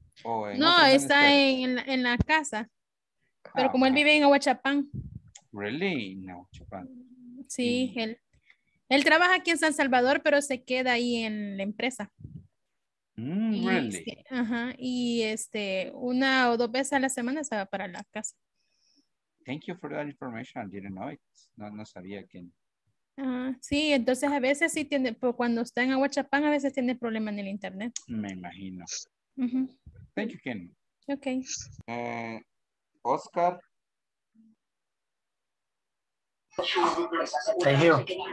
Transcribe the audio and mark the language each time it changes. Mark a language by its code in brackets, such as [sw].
[es] O en no, está en la casa. Pero como él vive en Aguachapán. [en] Really? En Aguachapán. [es] Sí, él. Él trabaja aquí en San Salvador, pero se queda ahí en la empresa. [en] Really? Ajá. [es] Y una o dos veces a la semana se va para la casa. [en] Thank you for that information. I didn't know it. [es] No sabía quién. Sí, entonces a veces sí tiene, cuando está en Aguachapán, a veces tiene problemas en el internet. Me imagino. [en] Thank you, [es] Ken. Okay. Oscar. [en] Thank you.